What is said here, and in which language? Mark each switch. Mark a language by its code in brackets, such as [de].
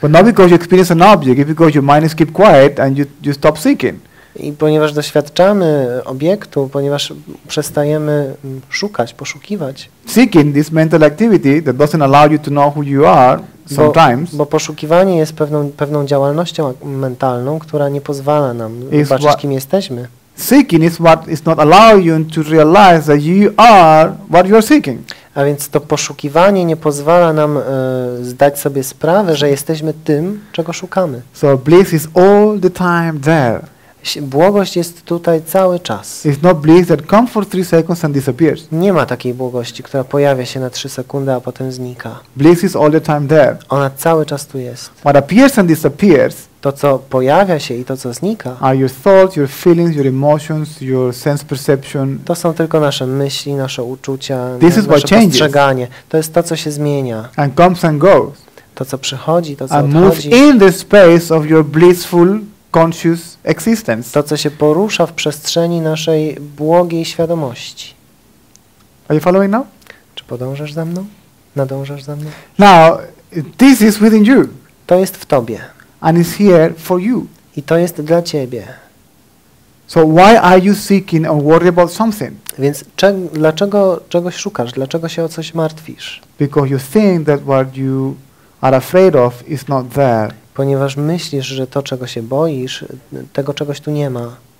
[en] But not because you experience an object, it's because your mind is keep quiet and you stop seeking. [pl] I ponieważ doświadczamy obiektu, ponieważ przestajemy szukać, poszukiwać. [en] Seeking this mental activity that doesn't allow you to know who you are. Sometimes, [pl] bo poszukiwanie jest pewną działalnością mentalną, która nie pozwala nam zobaczyć, kim jesteśmy. [en] Seeking is what is not allowing you to realize that you are what you are seeking. [pl] A więc to poszukiwanie nie pozwala nam zdać sobie sprawę, że jesteśmy tym, czego szukamy. [en] So bliss is all the time there. [pl] Błogość jest tutaj cały czas. [en] It's not bliss that comes for 3 seconds and disappears. [pl] Nie ma takiej błogości, która pojawia się na 3 sekundy, a potem znika. [en] Bliss is all the time there. [pl] Ona cały czas tu jest. [en] What appears and disappears, [pl] to, co pojawia się i to, co znika, [en] are your thoughts, your feelings, your emotions, your sense perception. [pl] To są tylko nasze myśli, nasze uczucia, nasze postrzeganie. To jest to, co się zmienia. [en] And comes and goes. [pl] To, co przychodzi, to, co [en] and [pl] odchodzi. [en] And moves in the space of your blissful conscious existence. [pl] To, co się porusza w przestrzeni naszej błogiej świadomości. [en] Are you following now? [pl] Czy podążasz za mną? Nadążasz za mną? [en] Now, this is within you. [pl] To jest w tobie. [en] And it's here for you. [pl] I to jest dla ciebie. [en] So why are you seeking or worry about something? [pl] Więc dlaczego czegoś szukasz? Dlaczego się o coś martwisz? [en] Because you think that what you are afraid of is not there. [pl] Ponieważ myślisz, że to, czego się boisz, tego czegoś tu nie ma.